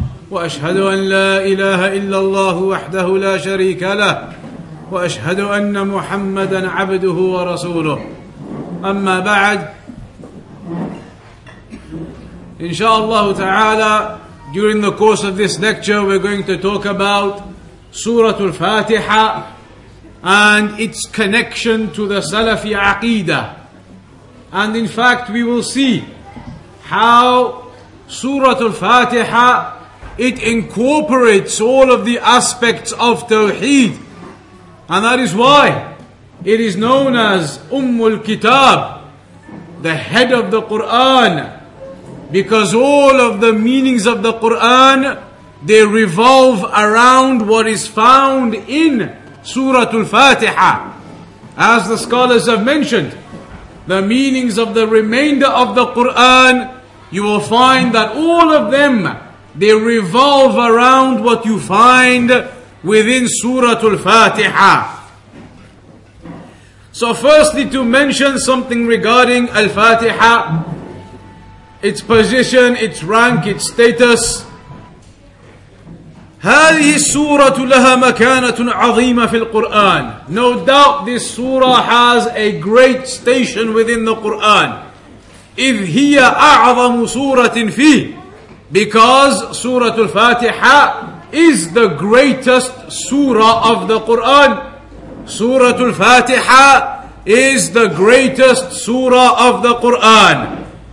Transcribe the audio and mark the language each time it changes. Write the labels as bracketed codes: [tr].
[ar] وأشهد أن لا إله إلا الله وحده لا شريك له وأشهد أن محمدًا عبده ورسوله أما بعد [en] Inshallah ta'ala, during the course of this lecture, we're going to talk about Surah Al-Fatiha and its connection to the Salafi Aqeedah. And in fact, we will see how Surah Al-Fatiha, it incorporates all of the aspects of Tawheed. And that is why it is known as Ummul Kitab, the head of the Qur'an. Because all of the meanings of the Qur'an, they revolve around what is found in Surah Al-Fatiha. As the scholars have mentioned, the meanings of the remainder of the Qur'an, you will find that all of them, they revolve around what you find within Surah Al-Fatiha. So firstly, to mention something regarding Al-Fatiha, its position, its rank, its status. [ar] هذه السورة لها مكانة عظيمة في القرآن. [en] No doubt this surah has a great station within the Quran. [ar] إذ هي أعظم سورة فيه. [en] Because سورة الفاتحة is the greatest surah of the Quran. سورة الفاتحة is the greatest surah of the Quran.